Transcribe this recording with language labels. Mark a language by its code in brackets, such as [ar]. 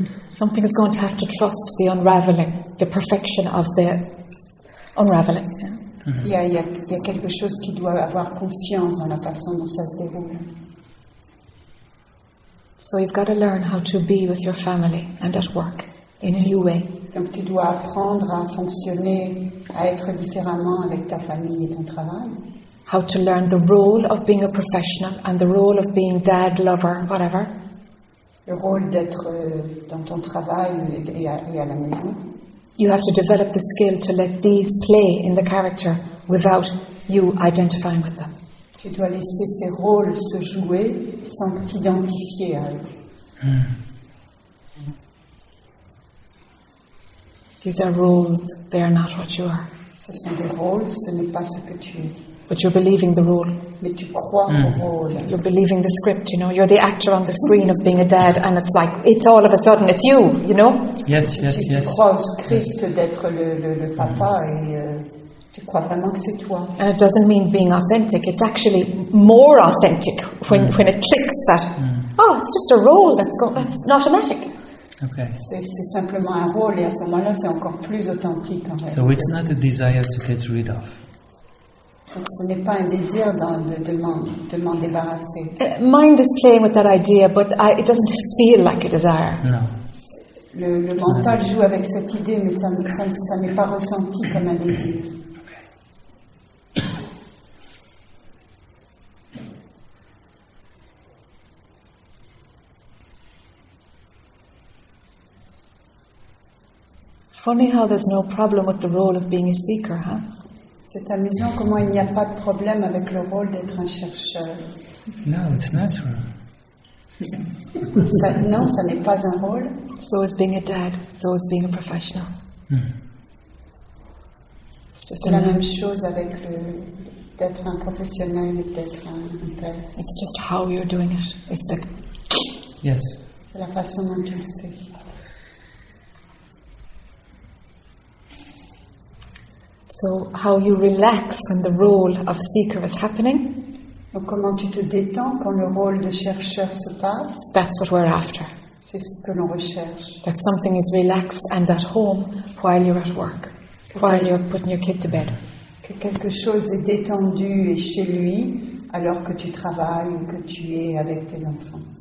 [en] Something is going to have to trust the unraveling, the perfection of the unraveling. [fr] Il y a quelque chose qui doit avoir confiance dans la façon dont ça se déroule. [en] So you've got to learn how to be with your family and at work in a new way. [fr] Donc tu dois apprendre à fonctionner, à être différemment avec ta famille et ton travail. [en] How to learn the role of being a professional and the role of being dad, lover, whatever. [fr] Le rôle d'être dans ton travail et à la maison. [en] You have to develop the skill to let these play in the character without you identifying with them. [fr] Tu dois laisser ces rôles se jouer sans t'identifier à eux. [en] These are roles, they are not what you are. [fr] Ce sont des rôles, ce n'est pas ce que tu es. [en] But you're believing the role. [fr] Mais tu crois au rôle. [en] You're believing the script, you know. You're the actor on the screen of being a dad, and it's like, it's all of a sudden, it's you, you know. Yes. [fr] Tu crois au script d'être le papa, et tu crois vraiment que c'est toi. [en] And it doesn't mean being authentic. It's actually more authentic when it clicks that, oh, it's just a role that's automatic. Okay. [fr] C'est simplement un rôle, et à ce moment-là, c'est encore plus authentique. En [en] so it's not a desire to get rid of. [fr] Donc, ce n'est pas un désir de m'en débarrasser. [en] Mind is playing with that idea, but it doesn't feel like a desire. No. [fr] Le mental joue avec cette idée, mais ça n'est pas ressenti comme un désir. [en] Funny how there's no problem with the role of being a seeker, huh? [fr] C'est amusant comment il n'y a pas de problème avec le rôle d'être un chercheur. [en] No, it's natural. [fr] Non, ça n'est pas un rôle. [en] So is being a dad, so is being a professional. [fr] C'est juste la même chose avec d'être un professionnel ou d'être un père. [en] It's just how you're doing it. It's the... Yes. [fr] C'est la façon dont tu le fais. [en] So how you relax when the role of seeker is happening? [fr] Donc comment tu te détends quand le rôle de chercheur se passe? [en] That's what we're after. [fr] C'est ce que l'on recherche. [en] That something is relaxed and at home while you're at work, while you're putting your kid to bed. [fr] Que quelque chose est détendu et chez lui alors que tu travailles ou que tu es avec tes enfants.